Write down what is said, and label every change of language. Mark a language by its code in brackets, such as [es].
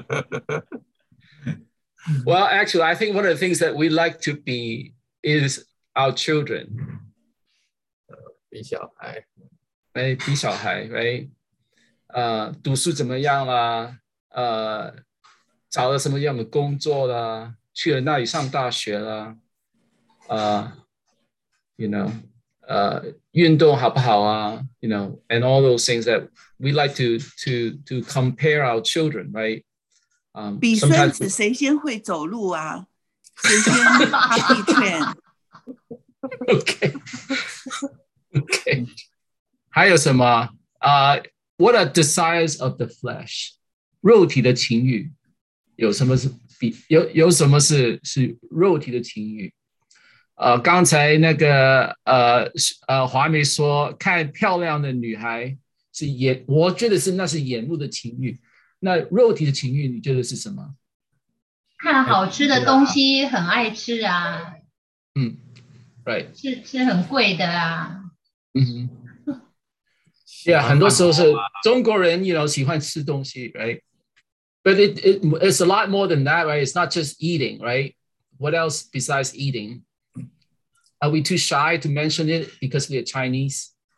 [zh] 我比很多啊。怎么都比啊。老公比较有钱，比较帅啊。Well, [en] actually, I think one of the things that we like to be is our children. [zh] 比小孩, right? 读书怎么样啦? 找了什么样的工作啦?去了那里上大学啦? You know, 运动好不好啊? [en] You know, and all those things that we like to compare our children, right? [zh] 比孙子谁先会走路啊?谁先趴地毯? Okay. Okay. 还有什么? [en] What are desires of the flesh? [zh] 肉体的情欲.有什么是肉体的情欲? 刚才那个华美说, 看漂亮的女孩, 我觉得那是眼目的情欲. 那肉体的情欲, 你觉得是什么? 看好吃的东西, 很爱吃啊。 [en] Right. [zh] 是很贵的啊。嗯哼。 [en] Yeah, [zh] 很多时候是中国人, [en] you know, [zh] 喜欢吃东西, [en] right? But it's a lot more than that, right? It's not just eating, right? what else besides eating? Are we too shy to mention it because we are Chinese?